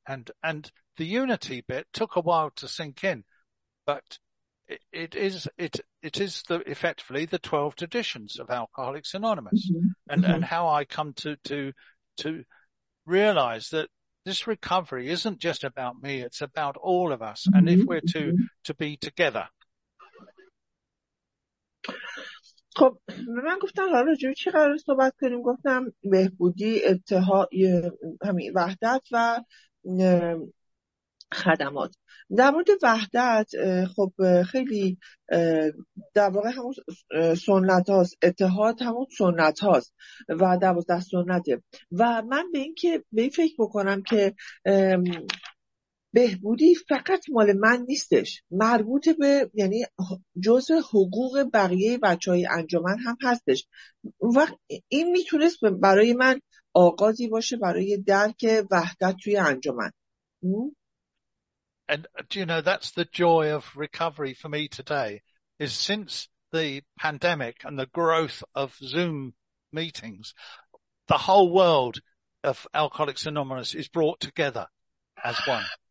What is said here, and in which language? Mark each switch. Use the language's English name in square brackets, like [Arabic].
[English] And the unity bit took a while to sink in, but it is effectively the 12 traditions of Alcoholics Anonymous. Mm-hmm. And how I come to realize that this recovery isn't just about me, it's about all of us. Mm-hmm. And if we're to be together. [Persian] خب من گفتم حالا راجع به چی قرار صحبت کنیم، گفتم بهبودی، اتحاد، همین وحدت و خدمات. در مورد وحدت خب خیلی در واقع همون سنت هاست، اتحاد همون سنت هاست و دوازده سنته، و من به این که به این فکر بکنم که بهبودی فقط مال من نیستش، مربوط به یعنی جزء حقوق بقیه بچه های انجمن هم هستش، و این میتونست برای من آغازی باشه برای درک وحدت توی انجمن. [English] And do you know, that's the joy of recovery for me today, is since the pandemic and the growth of Zoom meetings, the whole world of Alcoholics Anonymous is brought together as one.